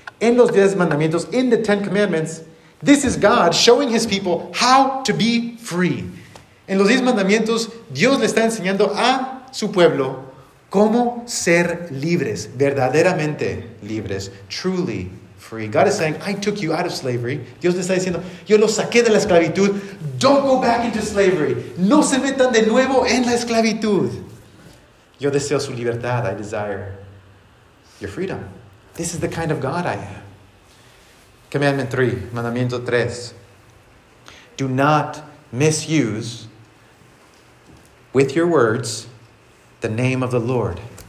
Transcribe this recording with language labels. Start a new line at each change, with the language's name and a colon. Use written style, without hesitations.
Spanish: En los diez mandamientos,
English: in the Ten Commandments, this is God showing his people how to be free.
Spanish: En los diez mandamientos, Dios le está enseñando a su pueblo cómo ser libres, verdaderamente libres,
English: truly free. God is saying, I took you out of slavery.
Spanish: Dios le está diciendo, yo lo saqué de la esclavitud.
English: Don't go back into slavery.
Spanish: No se metan de nuevo en la esclavitud. Yo deseo su libertad.
English: I desire your freedom. This is the kind of God I am. Commandment 3,
Spanish: mandamiento 3.
English: Do not misuse with your words the name of the Lord.